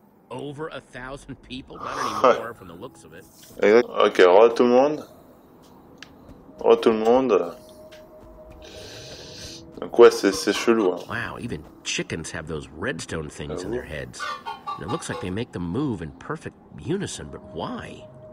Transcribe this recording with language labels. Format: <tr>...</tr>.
<en>Over a thousand people, not anymore from the looks of it.</en> <fr>Exact. Ok, re tout le monde. Re tout le monde. Ouais, c'est chelou. Hein.</fr> <en>Wow, even chickens have those redstone things in their heads. And it looks like they make them move in perfect unison, but why?</en>